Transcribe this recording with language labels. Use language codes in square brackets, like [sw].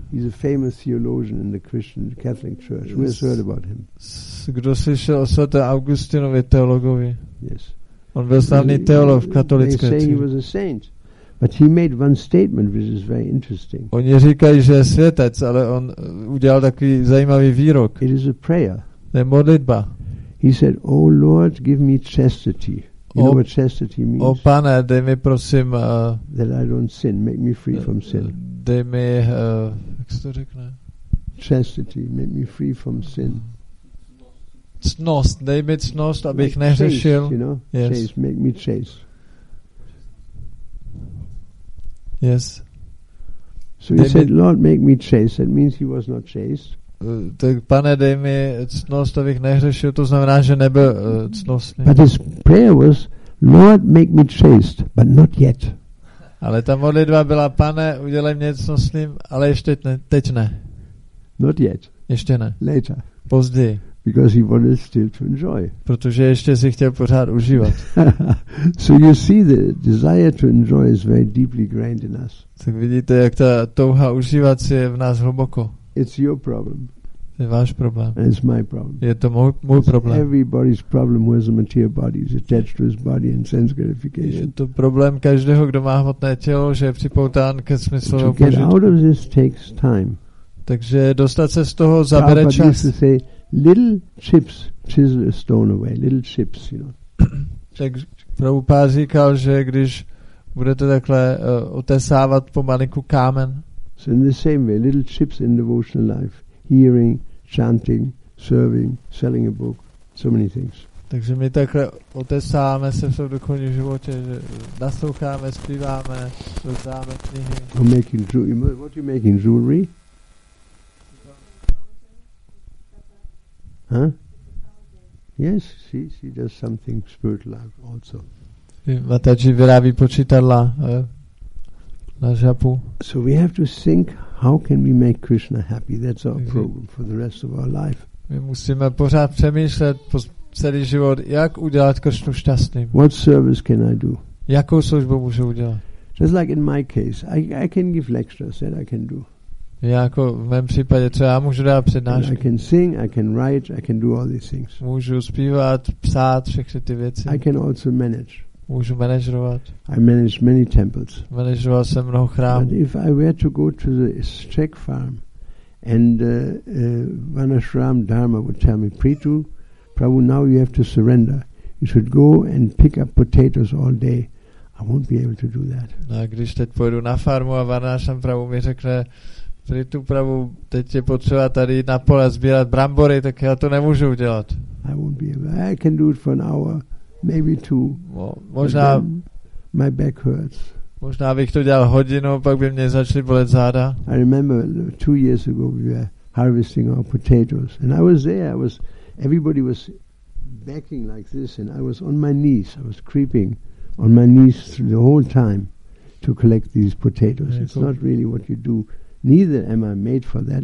[en] He's a famous theologian in the Christian Catholic Church. Who has heard about him? [cs] Kdo slyšel o svaté Augustinovi teologovi? [en] Yes. [cs] On byl slavný teolog v katolické [en] církvi. They say he was a saint, but he made one statement which is very interesting. [cs] Oni říkají, že je světec, ale on udělal takový zajímavý výrok. [en] It is a prayer. [cs] To je modlitba. [en] He said, "O Lord, give me chastity." You know what chastity means? [cs] O Pane, dej mi prosím [en] that I don't sin, make me free from sin. [cs] Dej mi jak se to řekne? [en] Chastity, make me free from sin. [cs] cnost, dej mi cnost, abych nehřešil. [en] You know? Yes. Chase, make me chase. Yes. So he said, Lord, make me chase. That means he was not chased. [cs] Tak pane, dej mi cnost, abych nehřešil. To znamená, že nebyl cnostný. [en] But his prayer was, Lord, make me chaste, but not yet. [cs] Ale ta modlitba byla, pane, udělej mě cnostným, ale ještě ne, teď ne. [en] Not yet. [cs] Ještě ne. [en] Later. [cs] Později. [en] Because he wanted still to enjoy. [cs] Protože ještě si chtěl pořád užívat. [en] So you see, the desire to enjoy is very deeply ingrained in us. [cs] Tak vidíte, jak ta touha užívat si je v nás hluboko. [en] It's your problem. [cs] Je váš problém. [en] And it's my problem. [cs] Je to můj problém. [en] Everybody's problem who has a material body is attached to his body and sense gratification. [cs] Je to problém každého, kdo má hmotné tělo, že je připoután ke smyslu požitku. [en] To get out of this takes time. [cs] Takže dostat se z toho zabere čas. [en] Prabhupada used to say, little chips chisel a stone away. Little chips, you know. [cs] Tak Prabhupada říkal, že když budete takhle otesávat pomalinku kámen. [en] So in the same way, little chips in devotional life. Hearing, chanting, serving, selling a book, so many things. [cs] Takže my takhle otesáme se v tom duchovním životě, že nasloucháme, zpíváme, rozdáváme knihy. [en] Or making jewelry. What are you making, jewelry? Huh? Yes, she does something spiritual also. [cs] Mataji vyrábí počítadla na žapu. [en] So we have to think, how can we make Krishna happy? That's our program for the rest of our life. [cs] My musíme pořád přemýšlet po celý život, jak udělat Krishnu šťastným. [en] What service can I do? [cs] Jakou službu můžu udělat? [en] Just like in my case, I can give lectures, that I can do. [cs] Jako v mém případě, co já můžu dát přednášky. [en] I can sing, I can write, I can do all these things. [cs] Můžu zpívat, psát, všechny ty věci. [en] I can also manage. [cs] Můžu manažovat. [en] I manage many temples. [cs] Manažoval jsem mnoho chrámů. [en] But if I were to go to the Czech farm and Vanashram Dharma would tell me, Prithu, Prabhu, now you have to surrender. You should go and pick up potatoes all day. I won't be able to do that. [cs] No, když teď pojedu na farmu a Vanashram Prabhu mi řekne, Prithu, Prabhu, teď je potřeba tady na pole sbírat brambory, tak já to nemůžu udělat. [en] I won't be able. I can do it for an hour. Maybe two. [cs] Možná, [en] my back hurts. [cs] Možná bych to dělal hodinu, pak by mě začaly bolet záda. [en] I remember 2 years ago we were harvesting our potatoes, and I was there. Everybody was backing like this, and I was on my knees. I was creeping on my knees through the whole time to collect these potatoes. Jako. It's not really what you do. Neither am I made for that.